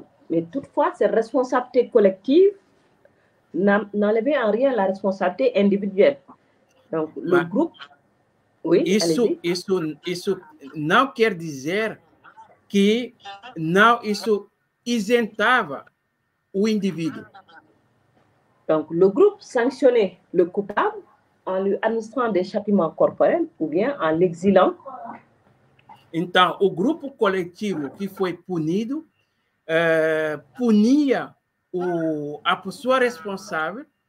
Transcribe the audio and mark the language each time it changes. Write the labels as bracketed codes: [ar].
[fr] Mais toutefois, cette responsabilité collective n'enlevait en rien la responsabilité individuelle. Donc, le groupe... [pt] Oui, isso não quer dizer que não isso isentava o indivíduo. [fr] Donc, le groupe sanctionnait le coupable en lui administrant des châtiments corporels ou bien en l'exilant. [pt] Então, o grupo coletivo que foi punido punia a pessoa responsável